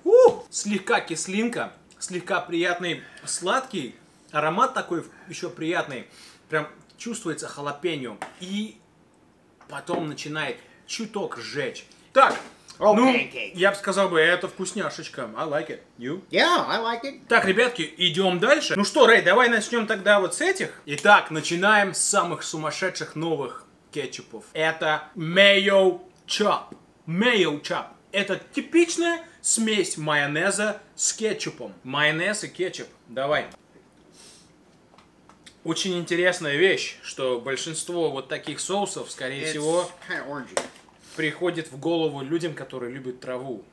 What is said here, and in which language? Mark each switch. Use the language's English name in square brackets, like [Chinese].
[Russian] Ooh, слегка кислинка. Слегка приятный сладкий, аромат такой еще приятный, прям чувствуется халапеньо, и потом начинает чуток жечь. Так, oh, ну, [English] pancake. [Russian] Я бы сказал, это вкусняшечка, [English] I like it, you? Yeah, I like it. [Russian] Так, ребятки, идем дальше. Ну что, Рэй, давай начнем тогда вот с этих. Итак, начинаем с самых сумасшедших новых кетчупов. Это mayo chop, mayo chop. Это типичная смесь майонеза с кетчупом. Майонез и кетчуп. Давай. Очень интересная вещь, что большинство вот таких соусов, скорее [English] It's [Russian] всего, [English] kind of orange. [Russian] Приходит в голову людям, которые любят траву.